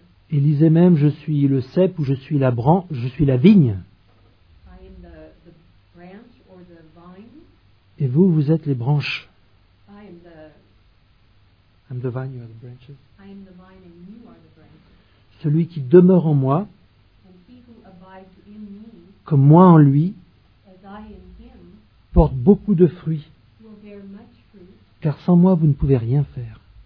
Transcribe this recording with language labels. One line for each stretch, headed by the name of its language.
French: Il disait même, je suis le cep ou je suis la branche, je suis la vigne.
English: I am the branch or the vine.
French: Et vous, vous êtes les branches.
English: I am the vine, you are the branches. I am the vine and you are the branches.
French: Celui qui demeure en moi,
English: and he who abides in me,
French: comme moi en lui,
English: as I am him,
French: porte beaucoup de fruits.
English: Will bear much fruit,
French: car sans moi, vous ne pouvez rien faire.